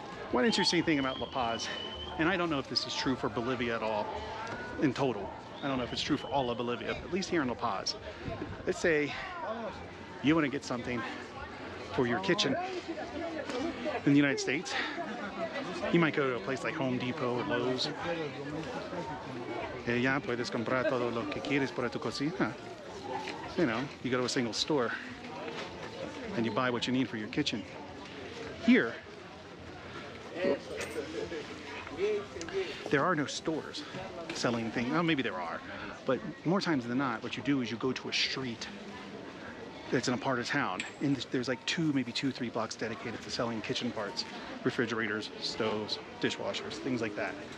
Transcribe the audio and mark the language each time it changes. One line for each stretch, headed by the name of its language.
English: One interesting thing about La Paz, and I don't know if this is true for Bolivia at all, in total. I don't know if it's true for all of Bolivia, but at least here in La Paz. Let's say you want to get something for your kitchen in the United States. You might go to a place like Home Depot or Lowe's.
Spanish: Ya puedes comprar todo lo que quieres para tu cocina.
English: You know, you go to a single store and you buy what you need for your kitchen. Here, there are no stores selling things. Well, maybe there are, but more times than not, what you do is you go to a street that's in a part of town, and there's like two, three blocks dedicated to selling kitchen parts, refrigerators, stoves, dishwashers, things like that.